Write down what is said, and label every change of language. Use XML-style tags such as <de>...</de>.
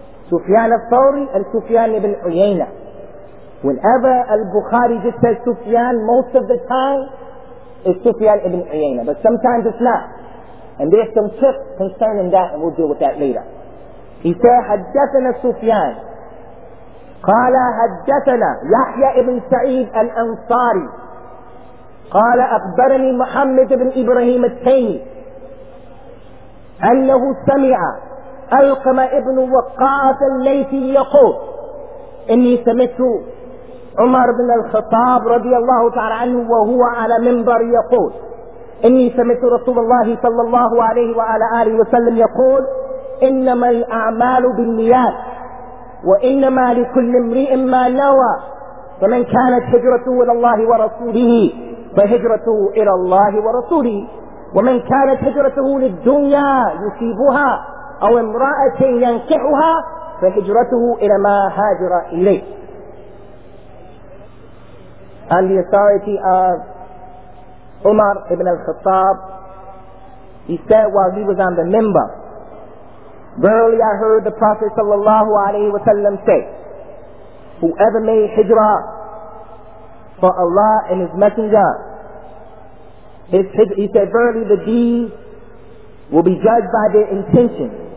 <en>سفيان الثوري and سفيان ibn Uyayna. Whenever Al-Bukhari just says سفيان, most of the time it's سفيان ibn Uyayna. But sometimes it's not. And there's some tips concerning that and we'll deal with that later. He said,</en> <ar>حدثنا سفيان. قال حدثنا يحيى بن سعيد الأنصاري. قال أخبرني محمد بن إبراهيم التيمي أنه سمع ألقم ابن وقاص الليثي يقول إني سمعت عمر بن الخطاب رضي الله تعالى عنه وهو على منبر يقول إني سمعت رسول الله صلى الله عليه وعلى آله وسلم يقول إنما الأعمال بالنيات وإنما لكل امرئ ما نوى فمن كانت هجرته إلى الله ورسوله فهجرته إلى الله ورسوله ومن كانت هجرته للدنيا يصيبها أو امرأة ينكحها فهجرته إلى ما هاجر إليه.</ar> <en>On the authority of Umar ibn al-Khattab, he said while he was on the minbar, verily I heard the Prophet sallallahu alayhi wa sallam say, whoever made hijrah for Allah and His Messenger, he said, verily the deeds will be judged by their intention.</en>